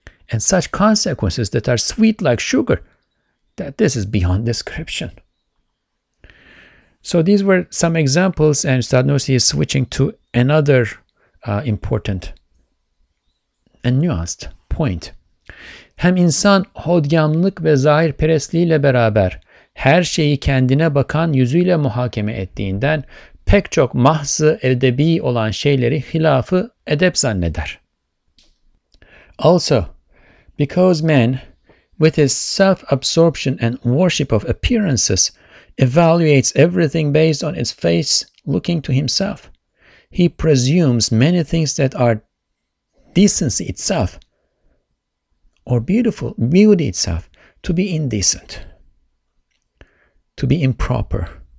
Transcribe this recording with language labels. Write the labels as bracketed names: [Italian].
[English] And such consequences that are sweet like sugar, that this is beyond description. So these were some examples, and Stadnosi is switching to another important and nuanced point. [Turkish] Hem insan hodyamlık ve zahir perestliğiyle beraber her şeyi kendine bakan yüzüyle muhakeme ettiğinden pek çok mahzı edebi olan şeyleri hilafı edep zanneder. [English] Also, because man, with his self-absorption and worship of appearances, evaluates everything based on his face looking to himself, he presumes many things that are decency itself, or beauty itself, to be indecent. to be improper.